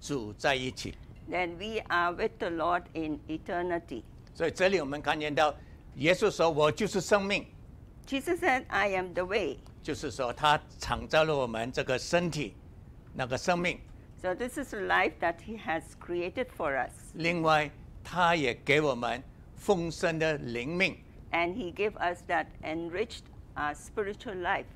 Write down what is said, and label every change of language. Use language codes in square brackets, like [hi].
[zh] 到时候我们会在永远永恒里面，就是那个永生，与主在一起。Then [en] we are with the Lord in eternity. [zh] 所以这里我们看见到，耶稣说：“我就是生命。” [en] Jesus said, I am the way. [zh] 就是说他创造了我们这个身体，那个生命。So [en] this is the life that he has created for us. [zh] 另外，他也给我们丰盛的灵命。And [en] he gave us that enriched our spiritual life.